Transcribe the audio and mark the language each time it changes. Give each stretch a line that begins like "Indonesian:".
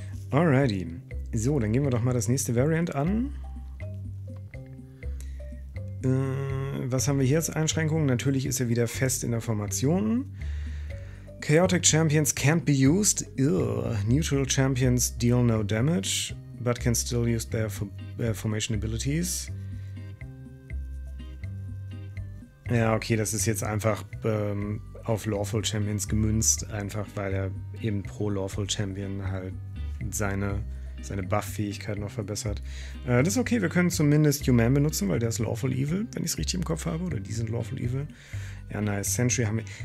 German: Alrighty. So, dann gehen wir doch mal das nächste Variant an. Was haben wir hier als Einschränkungen? Natürlich ist er wieder fest in der Formation.
English: Chaotic Champions can't be used. Ew. Neutral Champions deal no damage, but can still use their Formation Abilities.
German: Ja, okay, das ist jetzt einfach auf Lawful Champions gemünzt, einfach weil er eben pro Lawful Champion halt seine Buff-Fähigkeit noch verbessert. Das ist okay, wir können zumindest Human benutzen, weil der ist Lawful Evil, wenn ich es richtig im Kopf habe, oder die sind Lawful Evil. Ja, nice. Sentry haben wir.